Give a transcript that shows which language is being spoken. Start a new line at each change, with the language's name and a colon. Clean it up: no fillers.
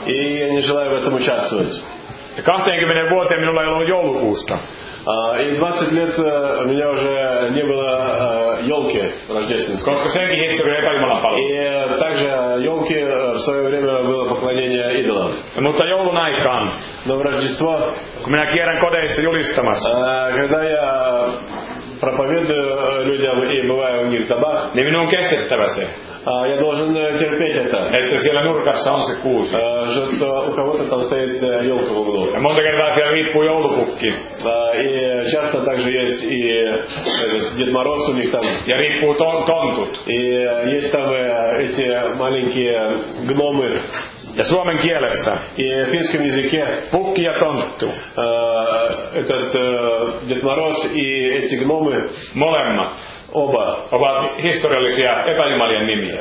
Russian: И я не желаю в этом участвовать.
Finnish: Ja 20 vuoteen minulla ei ollut joulukuusta.
Russian: И 20 лет у меня уже не было елки рождественской.
Finnish: Koska senkin historia epäjumalan palvelu.
Russian: И также елки в свое время было поклонение идолам.
Finnish: Mutta joulun aikaan.
Russian: Но в Рождество,
Finnish: kun minä kierrän kodeissa julistamassa,
Russian: когда я проповедую людям и бываю у них в домах,
Finnish: niin minun on kestettävä se.
Russian: Я должен терпеть это. Это
Finnish: siellä nurkassa on se kuusi.
Russian: Что у кого-то там стоит елка в углу.
Finnish: Monta kertaa siellä riippuu joulupukki.
Russian: И часто также есть и Дед Мороз у них там.
Finnish: Ja riippuu tontut.
Russian: И есть там эти маленькие гномы.
Finnish: Ja suomen kielessä.
Russian: И в финском языке.
Finnish: Pukki ja tonttu.
Russian: Этот Дед Мороз и эти гномы.
Finnish: Molemmat.
Russian: Оба.
Finnish: Ovat historiallisia epäjumalien nimiä.